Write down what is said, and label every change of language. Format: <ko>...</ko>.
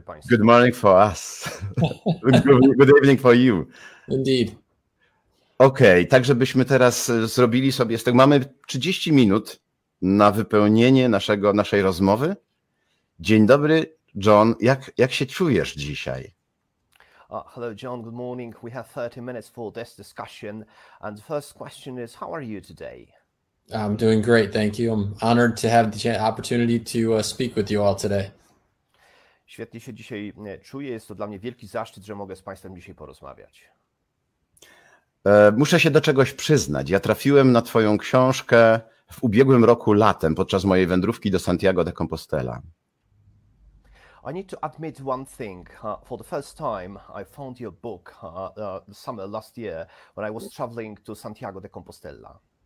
<en>Good morning for us. Good evening for you. Indeed.</en> <pl>Okay, tak żebyśmy teraz zrobili sobie, mamy 30 minut na wypełnienie naszej rozmowy. Dzień dobry, John, jak się czujesz dzisiaj?</pl> <en>Hello, John, good morning. We have 30 minutes for this discussion. And the first question is, how are you today? I'm doing great, thank you. I'm honored to have the opportunity to speak with you all today.</en> <pl>Świetnie się dzisiaj czuję. Jest to dla mnie wielki zaszczyt, że mogę z Państwem dzisiaj porozmawiać. Muszę się do czegoś przyznać. Ja trafiłem na Twoją książkę w ubiegłym roku latem, podczas mojej wędrówki do Santiago de Compostela.</pl> <en>I need to admit one thing. For the first time, I found your book the summer last year when I was traveling to Santiago de Compostela.</en>